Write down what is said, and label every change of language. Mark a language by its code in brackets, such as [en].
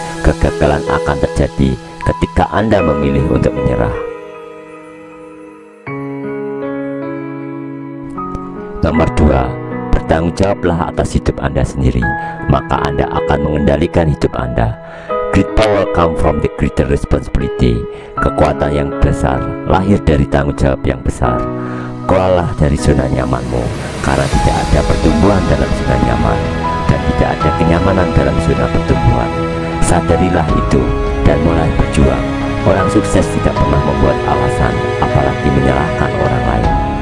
[id] Kegagalan akan terjadi ketika Anda memilih untuk menyerah. Nomor 2, bertanggung jawablah atas hidup Anda sendiri, maka Anda akan mengendalikan hidup Anda. [en] Great power come from the greater responsibility. [id] Kekuatan yang besar lahir dari tanggung jawab yang besar. Keluarlah dari zona nyamanmu, karena tidak ada pertumbuhan dalam zona nyaman, dan tidak ada kenyamanan dalam zona pertumbuhan. Sadarilah itu, dan mulai berjuang. Orang sukses tidak pernah membuat alasan, apalagi menyalahkan orang lain.